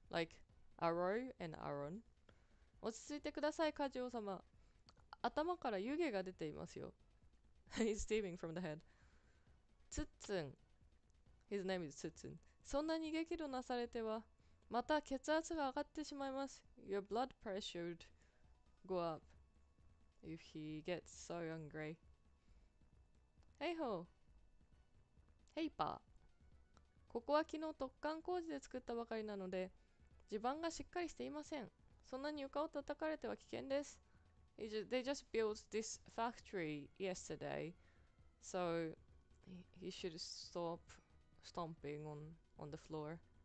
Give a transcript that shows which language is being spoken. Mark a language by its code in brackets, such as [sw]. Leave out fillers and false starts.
[en] Like, Arrow and Aaron? [ja] 落ち着いてください、カジオ様。頭から湯気が出ていますよ。 [en] He's steaming from the head. ツッツン。His name is ツッツン。 [ja] そんなに激怒なされては、また血圧が上がってしまいます。 [en] Your blood pressure would go up if he gets so angry. Hey ho! Hey pa! [ja] ここは昨日突貫工事で作ったばかりなので、地盤がしっかりしていません。そんなに床を叩かれては危険です。 [en] They just built this factory yesterday, so he should stop stomping on the floor.